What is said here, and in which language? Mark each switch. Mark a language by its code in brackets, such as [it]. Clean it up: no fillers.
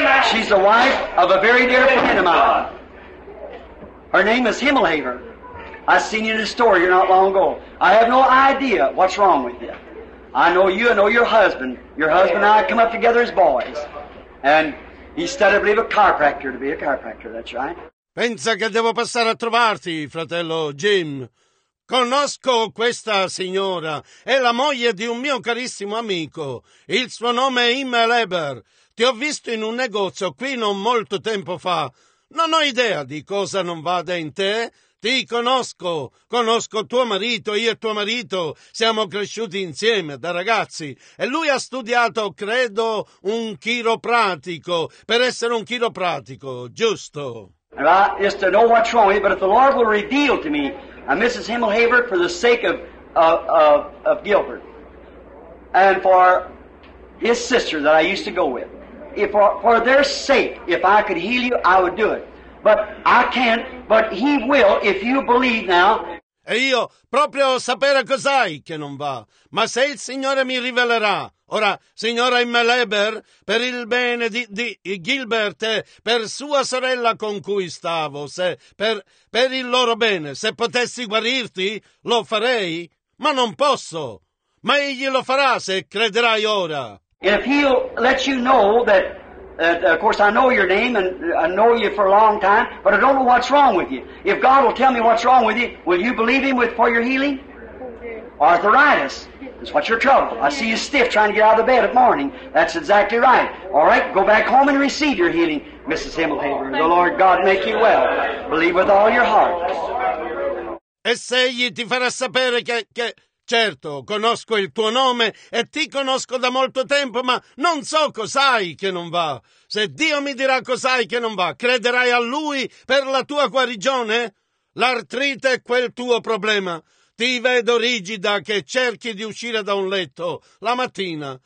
[en] She's the wife of a very dear friend of mine. Her name is Himmelhaver. I seen you in a store here not long ago. I have no idea what's wrong with you. I know you, I know your husband. Your husband and I come up together as boys. And he studied, I believe, a chiropractor to be a chiropractor, that's right. [it] Pensa che devo passare a trovarti, fratello Jim. Conosco questa signora, è la moglie di un mio carissimo amico. Il suo nome è Immel Eber. Ti ho visto in un negozio qui non molto tempo fa. Non ho idea di cosa non vada in te. Ti conosco, conosco tuo marito, io e tuo marito siamo cresciuti insieme da ragazzi e lui ha studiato, credo, un chiropratico, per essere un chiropratico, giusto? [en] And I just to know what's wrong with me, but if the Lord will reveal to me, I'm Mrs. Himmelhaver for the sake of Gilbert and for his sister that I used to go with. If for their sake, if I could heal you, I would do it. But I can't, but he will if you believe now. [it] E io proprio sapere cos'hai che non va. Ma se il Signore mi rivelerà. Ora, signora Immel Eber, per il bene di Gilbert e per sua sorella con cui stavo, se per il loro bene, se potessi guarirti, lo farei. Ma non posso. Ma egli lo farà se crederai ora. [en] If he'll let you know that. Of course, I know your name and I know you for a long time, but I don't know what's wrong with you. If God will tell me what's wrong with you, will you believe him for your healing? Okay. Arthritis is what's your trouble. Yeah. I see you stiff trying to get out of bed at morning. That's exactly right. All right, go back home and receive your healing, Mrs. Himmelhaver. The Lord God make you well. Believe with all your heart. [it] E se egli ti farà sapere che... Certo, conosco il tuo nome e ti conosco da molto tempo, ma non so cos'hai che non va. Se Dio mi dirà cos'hai che non va, crederai a Lui per la tua guarigione? L'artrite è quel tuo problema. Ti vedo rigida che cerchi di uscire da un letto la mattina.